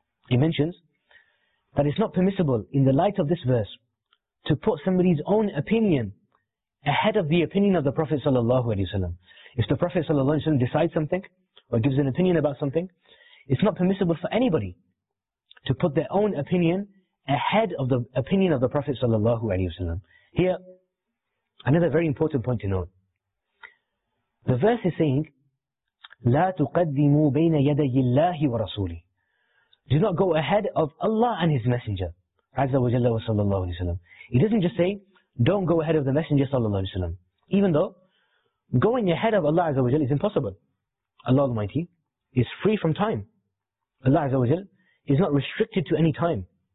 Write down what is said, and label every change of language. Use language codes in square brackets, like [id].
[en] He mentions that it's not permissible in the light of this verse to put somebody's own opinion ahead of the opinion of the Prophet ﷺ. If the Prophet ﷺ decides something or gives an opinion about something, it's not permissible for anybody to put their own opinion ahead of the opinion of the Prophet ﷺ. Here, another very important point to note. The verse is saying, [ar] لَا تُقَدِّمُوا بَيْنَ يَدَيِ اللَّهِ وَرَسُولِهِ. [en] Do not go ahead of Allah and His Messenger, [ar] عَزَّ وَجَلَّ وَصَلَّى اللَّهُ عَلَيْهِ وَسَلَّمُ. [en] It doesn't just say, don't go ahead of the Messenger ﷺ. Even though, going ahead of Allah عَزَّ وَجَلَّ is impossible. Allah Almighty is free from time. Allah Azza wa Jal is not restricted to any time.